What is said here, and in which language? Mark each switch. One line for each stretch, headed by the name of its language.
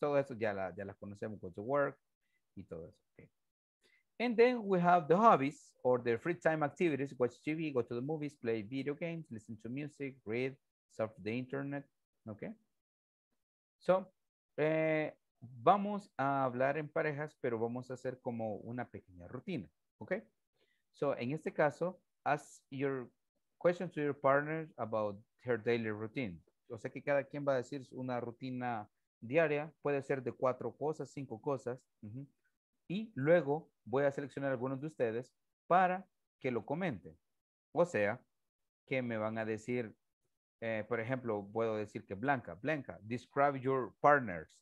Spanish: Todo eso ya las conocemos,
English: go to work
Spanish: y todo eso. Okay.
English: And then we have the hobbies or the free time activities. Watch TV, go to the movies, play video games, listen to music, read, surf the internet. Okay.
Spanish: So, vamos a hablar en parejas, pero vamos a hacer como una pequeña rutina. Okay.
English: So,
Spanish: en este caso,
English: ask your question to your partner about her daily routine.
Spanish: O sea que cada quien va a decir una rutina diaria. Puede ser de 4 cosas, 5 cosas. Y luego voy a seleccionar algunos de ustedes para que lo comenten. O sea, que me van a decir, por ejemplo, puedo decir que Blanca,
English: describe your partners.